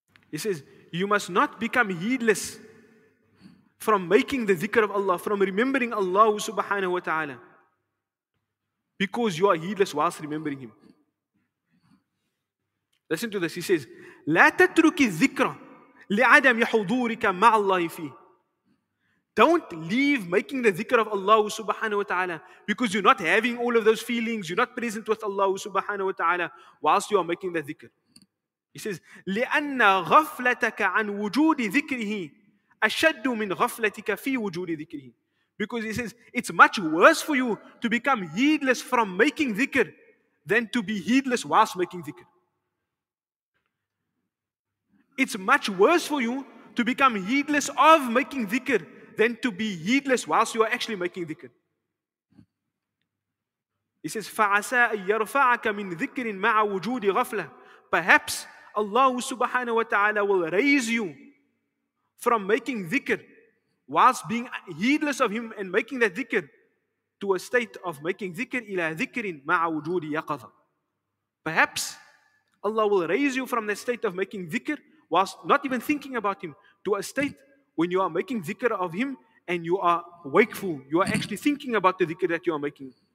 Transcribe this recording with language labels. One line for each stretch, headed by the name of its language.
English: He says, you must not become heedless from making the dhikr of Allah, from remembering Allah subhanahu wa ta'ala, because you are heedless whilst remembering Him. Listen to this. He says,
Arabic: لا تترك الذكرى لعدم حضورك مع الله فيه.
English: Don't leave making the dhikr of Allah subhanahu wa ta'ala because you're not having all of those feelings, you're not present with Allah subhanahu wa ta'ala whilst you are making the dhikr. He says,
Arabic: لِأَنَّ غَفْلَتَكَ عَنْ وُجُودِ ذِكْرِهِ أَشَدُّ مِنْ غَفْلَتِكَ فِي وُجُودِ ذِكْرِهِ.
English: Because he says, it's much worse for you to become heedless from making dhikr than to be heedless whilst making dhikr. It's much worse for you to become heedless of making dhikr than to be heedless whilst you are actually making dhikr. He says,
Arabic: فَعَسَىٰ أَن يَرْفَعَكَ مِن ذِكْرٍ مَعَ وُجُودِ غَفْلَةٍ.
English: Perhaps Allah subhanahu wa ta'ala will raise you from making dhikr whilst being heedless of him and making that dhikr to a state of making dhikr
Arabic: ila dhikrin ma'a wujudi yaqadha.
English: Perhaps Allah will raise you from that state of making dhikr whilst not even thinking about him to a state when you are making dhikr of him and you are wakeful, you are actually thinking about the dhikr that you are making.